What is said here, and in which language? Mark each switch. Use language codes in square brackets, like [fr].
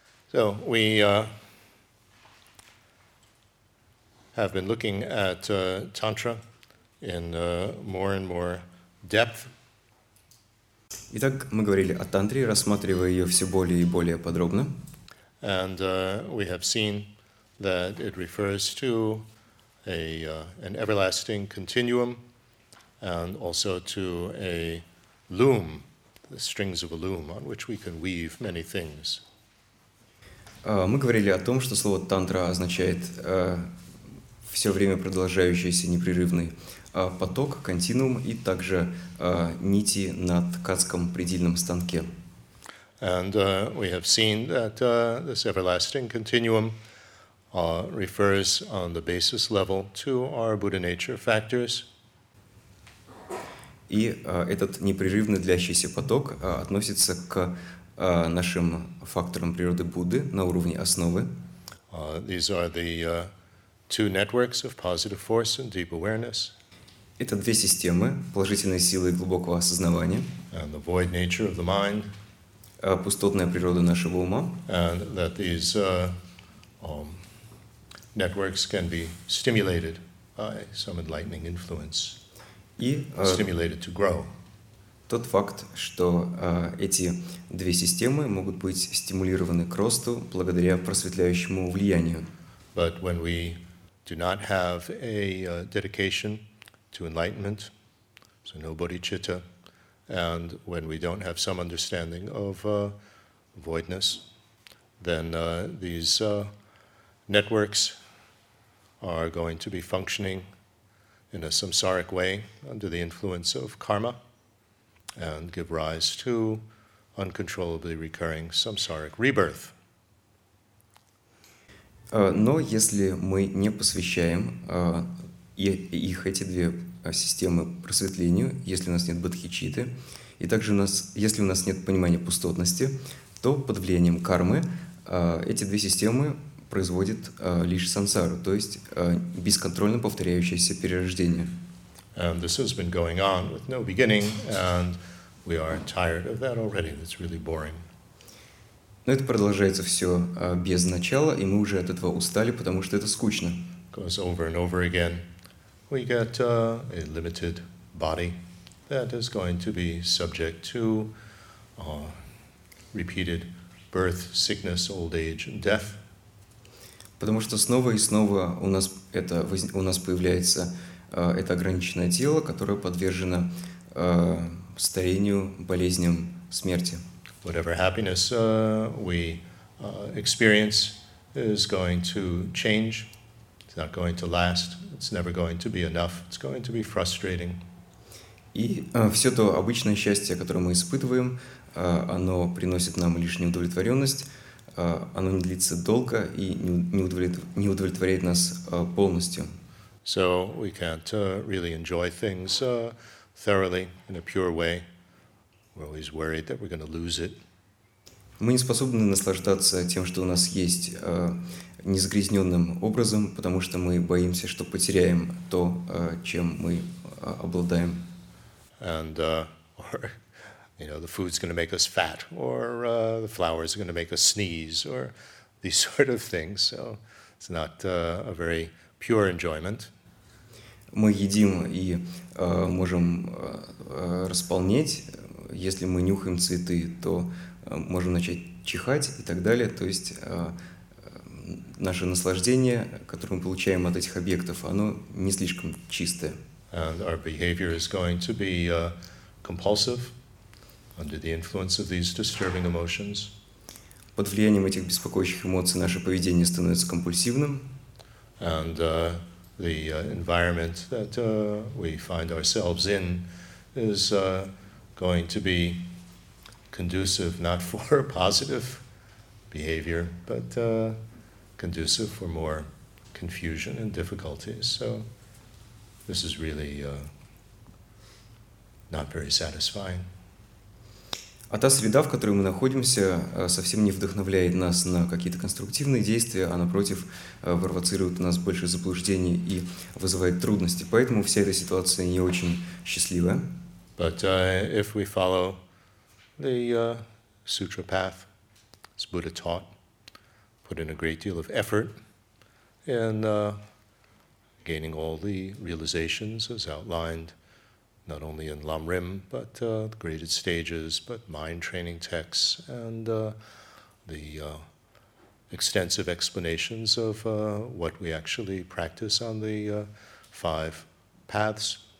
[en] So we have been looking at Tantra in more and more depth. [ru] Итак, мы говорили о тантре, рассматривая ее все более и более подробно. [en] And we have seen that it refers to an everlasting continuum and also to a loom, the strings of a loom on which we can weave many things. [ru] Мы говорили о том, что слово «тантра» означает все время продолжающийся непрерывный поток, континуум и также нити на ткацком предельном станке. [en] And we have seen that this everlasting continuum refers on the basis level to our Buddha nature factors. [ru] И этот непрерывно длящийся поток относится к нашим факторам природы Будды на уровне основы. [en] These are the two networks of positive force and deep awareness. [ru] Это две системы положительной силы и глубокого осознавания. [en] And the void nature of the mind. [ru] Пустотная природа нашего ума. [en] And that these networks can be stimulated by some enlightening influence. [ru] И [en] stimulated to grow. [ru] Тот факт, что эти две системы могут быть стимулированы к росту благодаря просветляющему влиянию. [en] But when we do not have a dedication to enlightenment, so no bodhicitta, and when we don't have some understanding of voidness, then these networks are going to be functioning in a samsaric way under the influence of karma and give rise to uncontrollably recurring samsaric rebirth. [ru] Но если мы не посвящаем их эти две системы просветлению, если у нас нет бодхичитты, и также если у нас нет понимания пустотности, то под влиянием кармы эти две системы производят лишь сансару, то есть бесконтрольно повторяющееся перерождение. [en] And this has been going on with no beginning, and we are tired of that already. It's really boring. [ru] Но это продолжается все без начала, и мы уже от этого устали, потому что это скучно. [en] Goes over and over again. We get a limited body that is going to be subject to repeated birth, sickness, old age, and death. [ru] Потому что снова и снова у нас появляется это ограниченное тело, которое подвержено старению, болезням, смерти. [en] Whatever happiness we experience is going to change. It's not going to last. It's never going to be enough. It's going to be frustrating. [ru] И все то обычное счастье, которое мы испытываем, оно приносит нам лишь неудовлетворенность. Оно не длится долго и не удовлетворяет нас полностью. [en] So we can't really enjoy things thoroughly in a pure way. We're always worried that we're going to lose it. [ru] Мы не способны наслаждаться тем, что у нас есть, незагрязненным образом, потому что мы боимся, что потеряем то, чем мы обладаем. [en] And, or, you know, the food's going to make us fat, or the flowers are going to make us sneeze, or these sort of things. So it's not a very pure enjoyment. [ru] Мы едим и можем располнеть. Если мы нюхаем цветы, то можем начать чихать и так далее. То есть наше наслаждение, которое мы получаем от этих объектов, оно не слишком чистое. [en] And our behavior is going to be compulsive under the influence of these disturbing emotions. [ru] Под влиянием этих беспокоящих эмоций наше поведение становится компульсивным. [en] And the environment that we find ourselves in is going to be conducive not for positive behavior, but conducive for more confusion and difficulties. So this is really not very satisfying. [ru] А та среда, в которой мы находимся, совсем не вдохновляет нас на какие-то конструктивные действия, а напротив, провоцирует у нас больше заблуждений и вызывает трудности. Поэтому вся эта ситуация не очень счастлива. [en] But if we follow the sutra path, as Buddha taught, put in a great deal of effort in gaining all the realizations as outlined, not only in Lam Rim, but the graded stages, but mind training texts, and the extensive explanations of what we actually practice on the five paths.